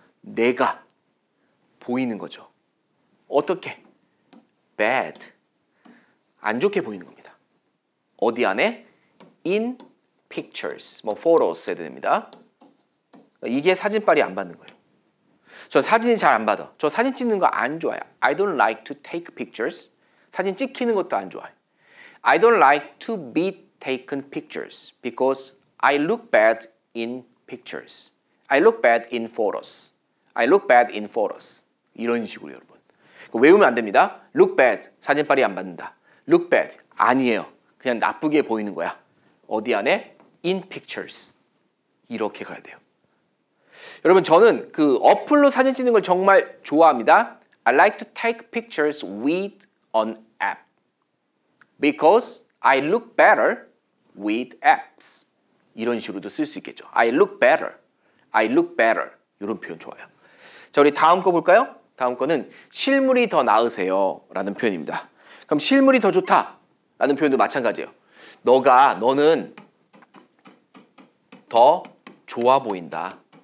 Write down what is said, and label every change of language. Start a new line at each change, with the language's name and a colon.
Korean: 내가 보이는 거죠. 어떻게? Bad. 안 좋게 보이는 겁니다. 어디 안에?
English: In pictures,
Korean: 뭐 photos 해야 됩니다. 이게 사진빨이 안 받는 거예요. 저 사진이 잘 안 받아. 저 사진 찍는 거 안 좋아요.
English: I don't like to take pictures.
Korean: 사진 찍히는 것도 안 좋아요.
English: I don't like to be taken pictures because I look bad in pictures. I look bad in photos. I look bad in photos.
Korean: 이런 식으로 여러분. 외우면 안 됩니다.
English: Look bad,
Korean: 사진빨이 안 받는다. Look bad, 아니에요. 그냥 나쁘게 보이는 거야. 어디 안에?
English: In pictures.
Korean: 이렇게 가야 돼요. 여러분 저는 그 어플로 사진 찍는 걸 정말 좋아합니다.
English: I like to take pictures with an app. Because I look better with apps.
Korean: 이런 식으로도 쓸 수 있겠죠.
English: I look better. I look better.
Korean: 이런 표현 좋아요. 자, 우리 다음 거 볼까요? 다음 거는 실물이 더 나으세요 라는 표현입니다. 그럼 실물이 더 좋다 라는 표현도 마찬가지예요. 너는 더 좋아 보인다.